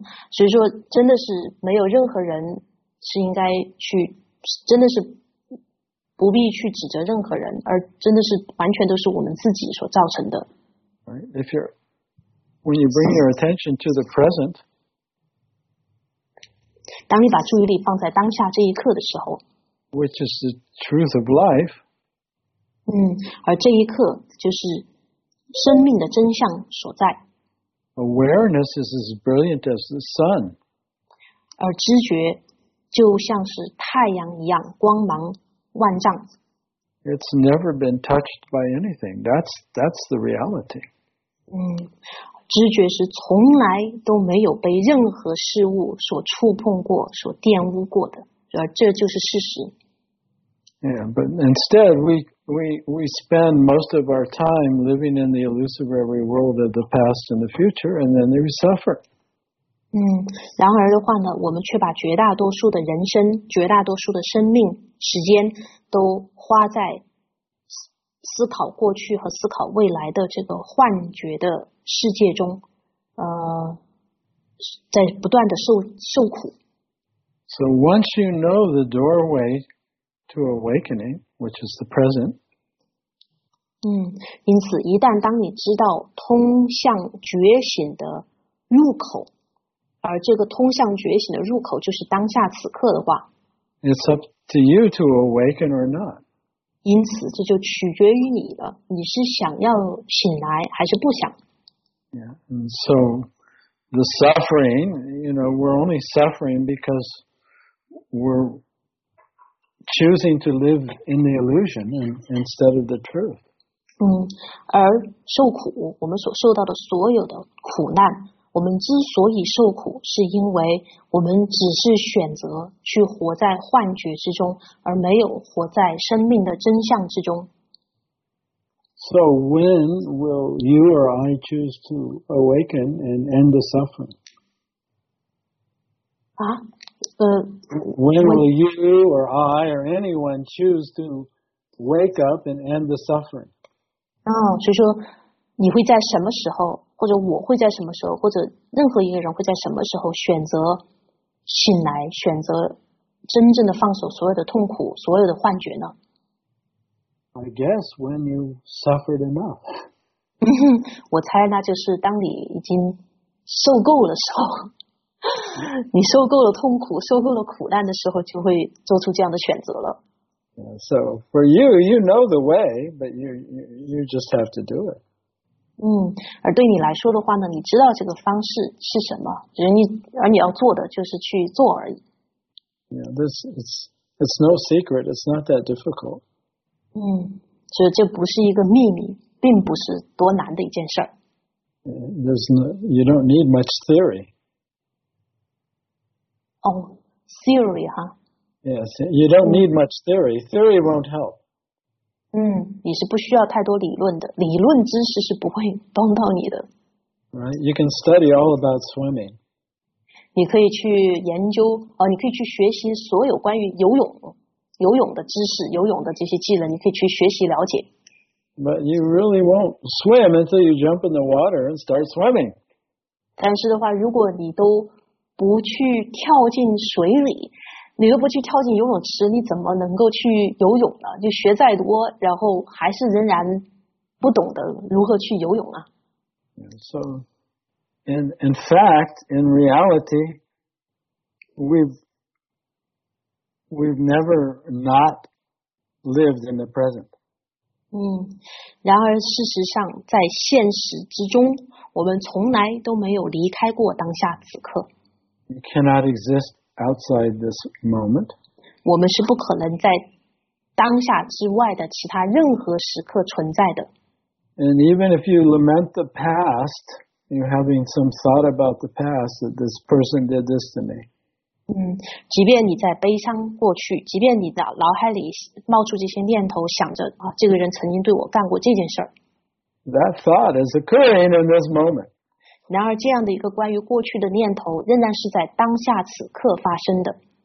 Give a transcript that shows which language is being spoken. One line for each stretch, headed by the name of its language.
Chinese: 所以说真的是没有任何人是应该去，真的是不必去指责任何人，而真的是完全都是我们自己所造成的。
English: Right? If you're, when you bring your attention to the present,
Chinese: 当你把注意力放在当下这一刻的时候，
English: Which is the truth of life.
Chinese: 而这一刻就是生命的真相所在。
English: Awareness is as brilliant as the sun.
Chinese: 而知觉就像是太阳一样光芒万丈。
English: It's never been touched by anything. That's the reality.
Chinese: 知觉是从来都没有被任何事物所触碰过，所玷污过的。而这就是事实。
English: Yeah, but instead we spend most of our time living in the illusory world of the past and the future, and then we suffer.
Chinese: 然而的话呢，我们却把绝大多数的人生、绝大多数的生命时间都花在思考过去和思考未来的这个幻觉的世界中，在不断的受苦。
English: So once you know the doorway to awakening, which is the present.
Chinese: 因此一旦当你知道通向觉醒的入口，而这个通向觉醒的入口就是当下此刻的话，
English: It's up to you to awaken or not.
Chinese: 因此这就取决于你了，你是想要醒来还是不想。
English: Yeah, and so the suffering, you know, we're only suffering because we're choosing to live in the illusion instead of the truth.
Chinese: 而受苦，我们所受到的所有的苦难，我们之所以受苦，是因为我们只是选择去活在幻觉之中，而没有活在生命的真相之中。
English: So when will you or I choose to awaken and end the suffering? When will you or I or anyone choose to wake up and end the suffering?
Chinese: 所以说你会在什么时候，或者我会在什么时候，或者任何一个人会在什么时候选择醒来，选择真正的放手所有的痛苦，所有的幻觉呢？
English: I guess when you suffered enough.
Chinese: 我猜那就是当你已经受够的时候，你受够了痛苦，受够了苦难的时候，就会做出这样的选择了。
English: Yeah, so for you, you know the way, but you just have to do it.
Chinese: 而对你来说的话呢，你知道这个方式是什么，而你要做的就是去做而已。
English: Yeah, it's no secret. It's not that difficult.
Chinese: 所以这不是一个秘密，并不是多难的一件事儿。
English: You don't need much theory. Oh, theory, huh? Yes, you don't need much theory. Theory won't help.
Chinese: 你是不需要太多理论的，理论知识是不会帮到你的。
English: Right, you can study all about swimming.
Chinese: 你可以去研究，你可以去学习所有关于游泳的知识，游泳的这些技能，你可以去学习了解。
English: But you really won't swim until you jump in the water and start swimming.
Chinese: 但是的话，如果你都不去跳进水里，你都不去跳进游泳池，你怎么能够去游泳呢？就学再多，然后还是仍然不懂得如何去游泳啊。
English: So, in fact, in reality, we've never not lived in the present.
Chinese: 然而事实上在现实之中我们从来都没有离开过当下此刻。
English: You cannot exist outside this moment.
Chinese: 我们是不可能在当下之外的其他任何时刻存在的。
English: And even if you lament the past, you're having some thought about the past that this person did this to me.
Chinese: 即便你在悲伤过去，即便你的脑海里冒出这些念头，想着这个人曾经对我干过这件事儿。
English: That thought is occurring in this moment.
Chinese: 然而，这样的一个关于过去的念头，仍然是在当下此刻发生的。